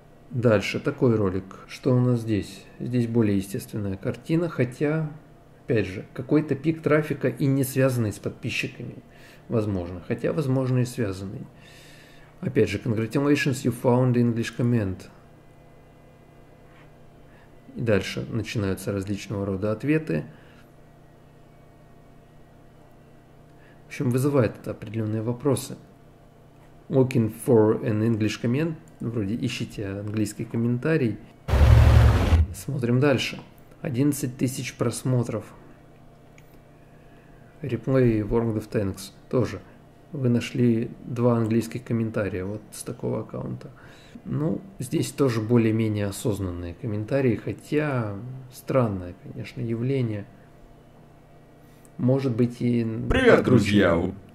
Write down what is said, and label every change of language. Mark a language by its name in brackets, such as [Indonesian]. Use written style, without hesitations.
[Russian] Дальше, такой ролик. Что у нас здесь? Здесь более естественная картина, хотя... Опять же, какой-то пик трафика и не связанный с подписчиками, возможно. Хотя, возможно, и связанный. Опять же, [English] congratulations, you found English comment. [Russian] И дальше начинаются различного рода ответы. В общем, вызывает это определенные вопросы. [English] Looking for an English comment. [Russian] Вроде ищите английский комментарий. Смотрим дальше. 11 тысяч просмотров. [English] Reply World of Tanks [Russian] тоже. Вы нашли два английских комментария вот с такого аккаунта. Ну, здесь тоже более-менее осознанные комментарии, хотя странное, конечно, явление. Может быть и... Привет, друзья!